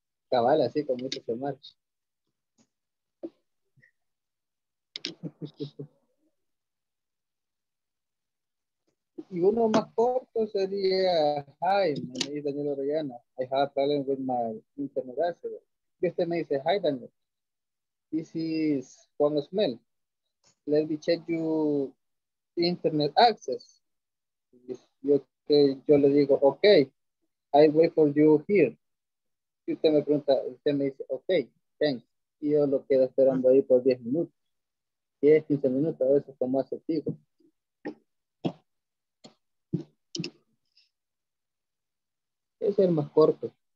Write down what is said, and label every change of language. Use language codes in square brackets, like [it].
[es] Cabal, así con mucho se marcha. Y uno más corto sería: Hi, mi nombre es Daniel Orellana. [en] I have a problem with my internet access. [es] Y usted me dice, [en] hi Daniel, this is Juan Osmel. Let me check your internet access. [es] Yo le digo, [en] ok, I wait for you here. [es] Y usted me pregunta, usted me dice, [en] ok, thanks. [es] Y yo lo quedo esperando ahí por 10 minutos. 10, 15 minutos, a veces como hace tiempo. Es el más corto.